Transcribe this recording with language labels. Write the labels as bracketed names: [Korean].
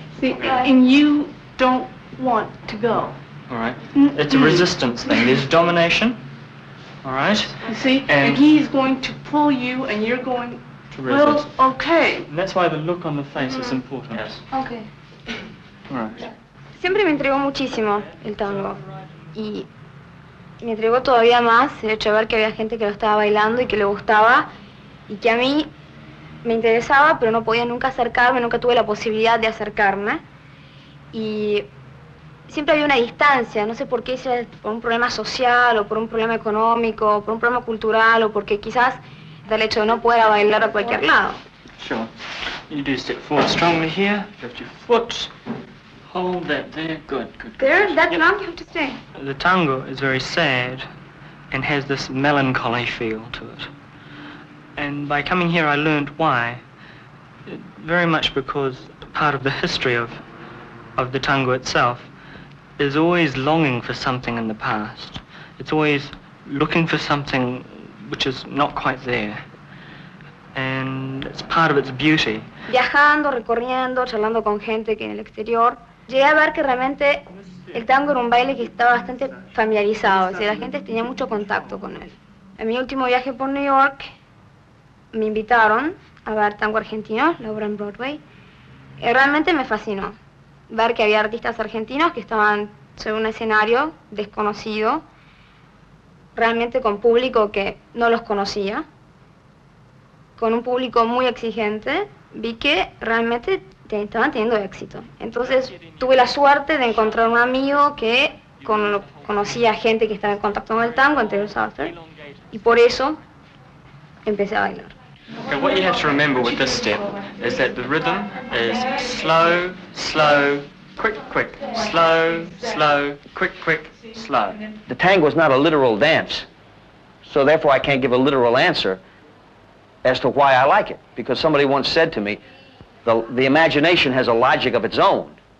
[English] See, and you don't want to go. All right. It's a resistance thing. There's domination, all right? You see, and he's going to pull you, and you're going... Well, okay. And that's why the look on the face is important. Yes. Okay. All right. [Spanish] Siempre me entregó muchísimo el tango. Y me entregó todavía más el hecho de ver que había gente que lo estaba bailando y que le gustaba. Y que a mí me interesaba, pero no podía nunca acercarme, nunca tuve la posibilidad de acercarme. Y siempre había una distancia. No sé por qué, si era por un problema social, o por un problema económico, o por un problema cultural, o porque quizás... del hecho de no poder bailar a cualquier lado. [English] Sure. You do step forward strongly here. Lift your foot. Hold that there. Good, good. There, that long you have to stay. The tango is very sad and has this melancholy feel to it. And by coming here I learned why. Very much because part of the history of the tango itself is always longing for something in the past. It's always looking for something which is not quite there, and it's part of its beauty. [Spanish] Viajando, recorriendo, charlando con gente que en el exterior, llegué a ver que realmente el tango era un baile que estaba bastante familiarizado, o sea, la gente tenía mucho contacto con él. En mi último viaje por New York, me invitaron a ver tango argentino, la obra en Broadway, y realmente me fascinó ver que había artistas argentinos que estaban sobre un escenario desconocido, realmente con público que no los conocía, con un público muy exigente, vi que realmente estaban teniendo éxito. Entonces tuve la suerte de encontrar un amigo que conocía gente que estaba en contacto con el tango, entre los Arthur, y por eso empecé a bailar. [English] Okay, what you have to remember with this step is that the rhythm is slow, slow, quick, quick, slow, slow, quick, quick, slow. The tango is not a literal dance, so therefore I can't give a literal answer as to why I like it, because somebody once said to me, the imagination has a logic of its own.